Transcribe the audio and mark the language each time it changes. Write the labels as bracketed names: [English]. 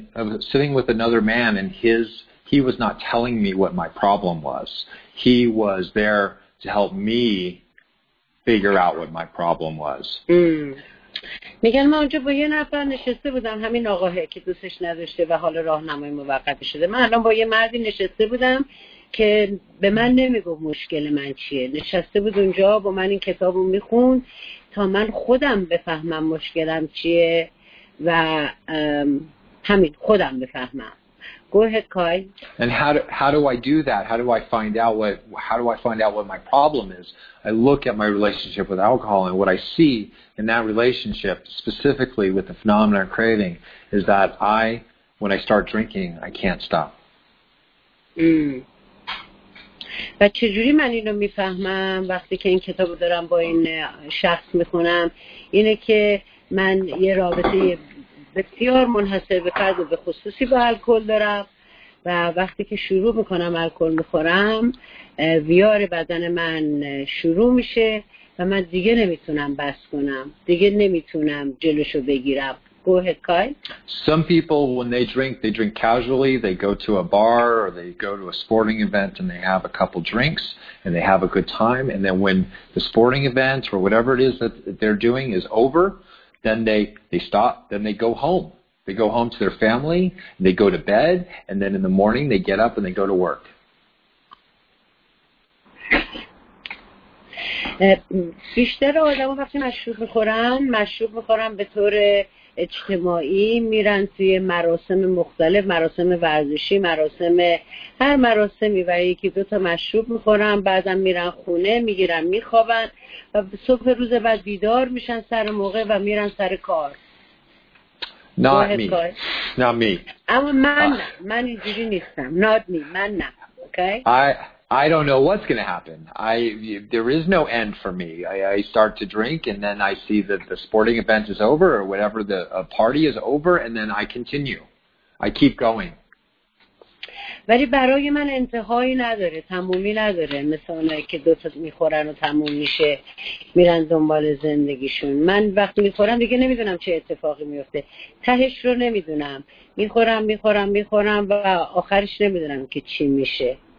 [English] I was sitting with another man and he was not telling me what my problem was. He was there to help me figure out what my problem was. [Persian] میگن من اونجا با یه نفر نشسته بودم همین آقاه که دوستش نداشته و حالا راهنمای موقت شده. من الان با یه مردی نشسته بودم که به من نمیگو مشکل من چیه. نشسته بود اونجا با من این کتابو میخون تا من خودم بفهمم مشکلم چیه و همین خودم بفهمم. [English] Go ahead, Kai. And how do I do that? How do I find out what my problem is? I look at my relationship with alcohol, and what I see in that relationship, specifically with the phenomenon of craving, is that I, when I start drinking, I can't stop. [Persian] و چجوری من اینو میفهمم وقتی که این کتابو دارم با این شخص میخونم اینه که من یه رابطه بسیار منحصر به فرد و به خصوصی با الکل دارم و وقتی که شروع میکنم الکل میخورم ویار بدن من شروع میشه و من دیگه نمیتونم بس کنم دیگه نمیتونم جلوشو بگیرم. [English] Go ahead, Kai. Some people when they drink casually, they go to a bar or they go to a sporting event and they have a couple drinks and they have a good time and then when the sporting event or whatever it is that they're doing is over, then they stop, then they go home. They go home to their family, and they go to bed, and then in the morning they get up and they go to work. [Persian] بیشتر آدم ها وقتی مشروب میخورن به طور اجتماعی میرن توی مراسم مختلف، مراسم ورزشی، مراسم هر مراسمی و یکی دو تا مشروب میخورن، بعدم میرن خونه، میگیرن، میخوابن و صبح روز بعد بیدار میشن سر موقع و میرن سر کار. [English] Not me. [Persian] اما من اینجوری نیستم. [English] Not me. [Persian] من نه. Okay. [English] I don't know what's going to happen. There is no end for me. I start to drink and then I see that the sporting event is over or whatever a party is over and then I continue. I keep going. [Persian] ولی برای من انتهایی نداره، تمومی نداره. مثل اونایی که دو تا میخورن و تموم میشه، میرن دنبال زندگیشون. من وقتی میخورم دیگه نمیدونم چه اتفاقی میفته. تهش رو نمیدونم. میخورم و آخرش نمیدونم که چی میشه.